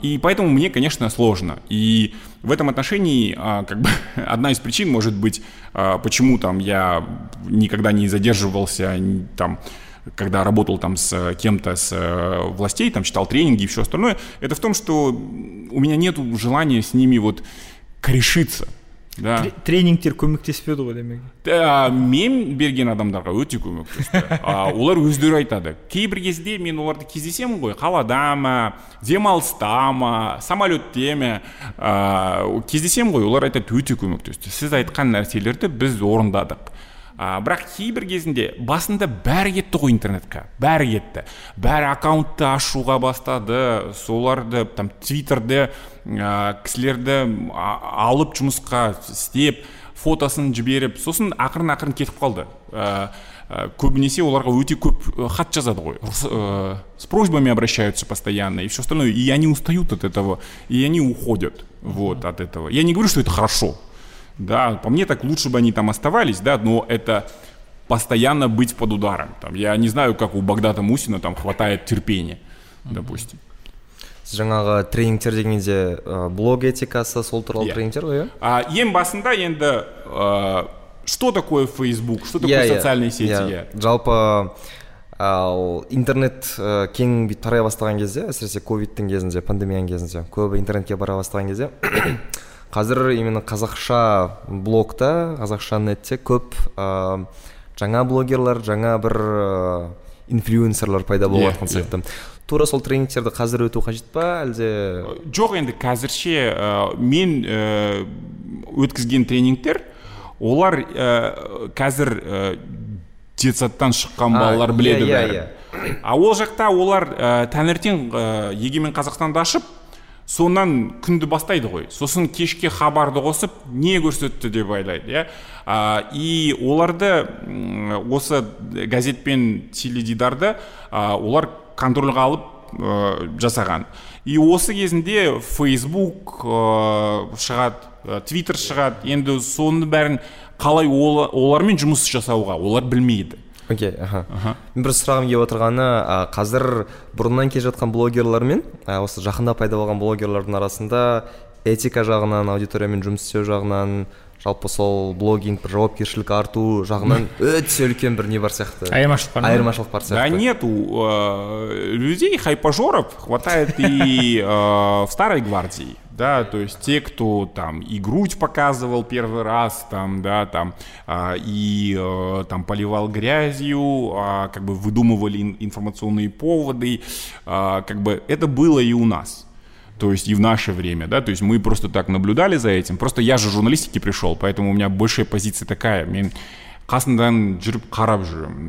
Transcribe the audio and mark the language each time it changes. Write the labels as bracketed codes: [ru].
[ru] И поэтому мне, конечно, сложно. И в этом отношении, как бы, одна из причин, может быть, почему там я никогда не задерживался, там, когда работал там с кем-то, с властей, там, читал тренинги и все остальное, это в том, что у меня нет желания с ними вот корешиться. Да. [kk] Тренинг тер көмектесіп еді ғой демек. Мен берген адамдарға өте көмектесті. Олар өздері айтады. Кейбір кезде мен оларды кездесемін ғой, қалада ма, демалыста ма, самолетте ме, кездесемін ғой, олар айтады, өте көмектесті. Сіз айтқан нәрселерді біз орындадық. Бірақ кейбір кезінде басында бәрі кетті ғой интернетке. Бәрі кетті. Бәрі аккаунтты ашуға бастады. Соларды там Twitter-де кісілерді алып жұмысқа істеп, фотосын жіберіп, сосын ақырын-ақырын кетіп қалды. Көбінесе оларға өте көп хат жазады ғой. [ru] С просьбами обращаются постоянно и все остальное. И они устают от этого, и они уходят вот от этого. Я не говорю, что это хорошо. Да, по мне так лучше бы они там оставались, да, но это постоянно быть под ударом. Там, я не знаю, как у Богдата Мусина там хватает терпения, допустим. [kk] Жаңағы тренингтер дегенде блог этикасы сол туралы тренингтер ғой. Ең басында енді [ru] что такое Facebook, что такое социальные сети? [kk] Жалпы интернет кең бит тарай бастаған кезде, әсіресе ковидтің кезінде, пандемияның кезінде, көп интернетке бара бастаған кезде, қазір именно қазақша блогта, қазақша нетте көп жаңа блогерлер, жаңа бір инфлюенсерлер пайда болып жатқан сияқты. Тура сол тренингтерді қазір өту қажет па, әлде? Жоқ, енді қазірше мен өткізген тренингтер, олар қазір детсадтан шыққан балалар біледі бәрі. Ол жақта олар таңертең егемен Қазақстанды ашып, сонан күнді бастайды ғой. Сосын кешке хабарды қосып, не көрсетті деп айлайды, иә. И оларды осы газет пен теледидарды олар контрольға алып жасаған. И осы кезінде Facebook шығады, Twitter шығады. Енді соның бәрін қалай олармен жұмыс жасауға олар білмейді. Окей, Мен бір сұрағым келіп отырғаны, қазір бұрыннан келе жатқан блогерлер мен осы жақында пайда болған блогерлердің арасында этика жағынан, аудиториямен жұмыс істеу жағынан, жалпы сол блогинг бір жауапкершілік арту жағынан өте үлкен бір не бар сияқты. Айырмашылық бар сияқты. [ru] Да нет, у людей хайпажоров хватает и в старой гвардии. Да, то есть те, кто там и грудь показывал первый раз, там, да, там, и там поливал грязью, как бы выдумывали информационные поводы, как бы это было и у нас, то есть и в наше время, да, то есть мы просто так наблюдали за этим, просто я же в журналистике пришел, поэтому у меня большая позиция такая, мне [kk] қасындан жүріп қарап жүрем.